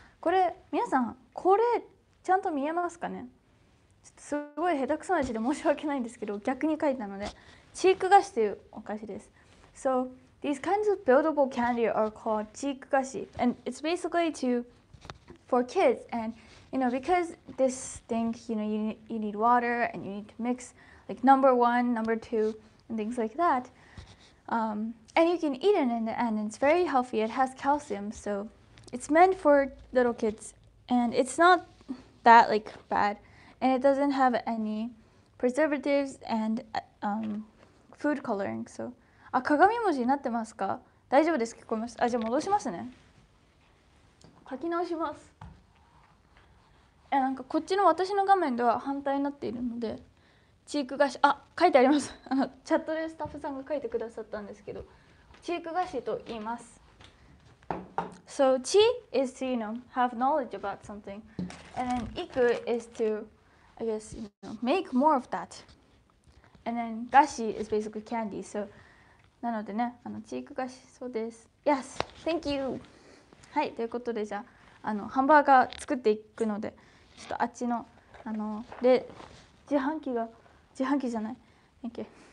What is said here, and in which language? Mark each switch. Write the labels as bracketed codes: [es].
[ja] これ、皆さん、これ、ちゃんと見えますかね？ちょっとすごい下手くそな字で申し訳ないんですけど、逆に書いたので。チーク菓子というお菓子です。 [en] So these kinds of buildable candy are called チーク菓子。 And it's basically for kids. And, you know, because this thing, you know, you need water and you need to mix. Like number one, number two, and things like that. And you can eat it in the end. It's very healthy. It has calcium. So it's meant for little kids. And it's not that like bad. And it doesn't have any preservatives and、food coloring. [ja] So, あ、鏡文字になってますか？大丈夫です。聞こえます。あ、じゃあ戻しますね。書き直します。え、なんかこっちの私の画面では反対になっているので、チーク菓子、あ、書いてあります。あのチャットでスタッフさんが書いてくださったんですけど、チーク菓子と言います。 [en] So, chi is to, you know, have knowledge about something. And then, iku is to, I guess, you know, make more of that. And then, gashi is basically candy. [ja] So, なのでね、あのチーク菓子、そうです。 [en] Yes! Thank you! [ja] はい、ということで、じゃあ、あのハンバーガー作っていくので、ちょっとあっちの、あの、で、自販機が、自販機じゃない。 [en] Thank you.